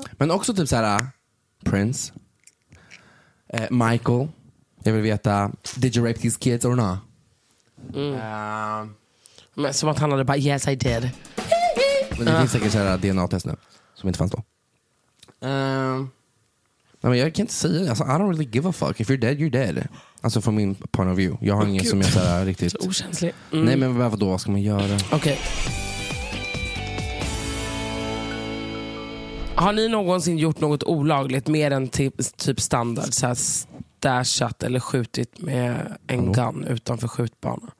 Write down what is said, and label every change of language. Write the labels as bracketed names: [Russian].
[Swedish] Men också typ såhär Prince, Michael. Jag vill veta, [English] did you rape these kids or not? [Swedish] Men som att han hade bara, [English] yes I did. [Swedish] Men det finns säkert såhär DNA-test nu som inte fanns då. Nej, men jag kan inte säga det. [English] Alltså, I don't really give a fuck. If you're dead, you're dead. [Swedish] Alltså från min [English] point of view. [Swedish] Jag har ingen som är såhär riktigt så okänslig. Nej, men vadå, vad ska man göra? Okej, okay. Har ni någonsin gjort något olagligt mer än typ standard så här stashat eller skjutit med en gun utanför skjutbana?